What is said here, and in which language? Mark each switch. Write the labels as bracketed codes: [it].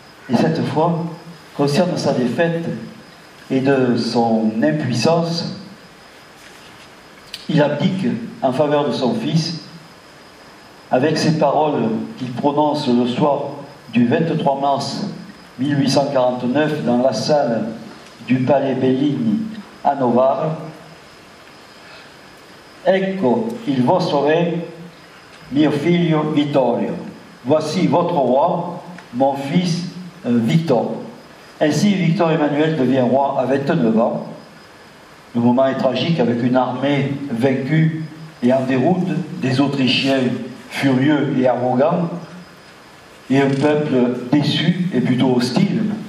[fr] Et cette fois, concerne sa défaite et de son impuissance, il abdique en faveur de son fils avec ces paroles qu'il prononce le soir du 23 mars 1849 dans la salle du palais Bellini à Novare. [it] Ecco il vostro re, mio figlio Vittorio. [fr] Voici votre roi, mon fils Victor. Ainsi, Victor Emmanuel devient roi à 29 ans. Le moment est tragique avec une armée vaincue et en déroute, des Autrichiens furieux et arrogants, et un peuple déçu et plutôt hostile.